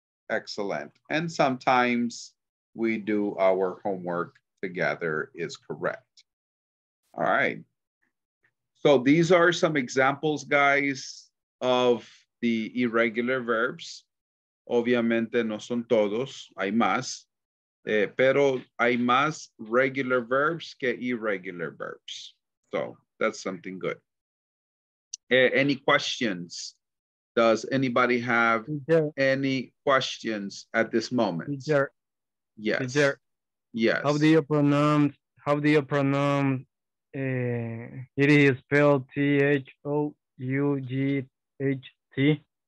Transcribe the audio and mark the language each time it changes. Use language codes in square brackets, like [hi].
[en] Excellent. And sometimes we do our homework together is correct. All right. So these are some examples, guys, of the irregular verbs. [es] Obviamente no son todos, hay más. Pero hay más regular verbs que irregular verbs. [en] So that's something good. Any questions? Does anybody have any questions at this moment? Teacher. Yes. Teacher. Yes. How do you pronounce it is spelled T-H-O-U-G-H-T?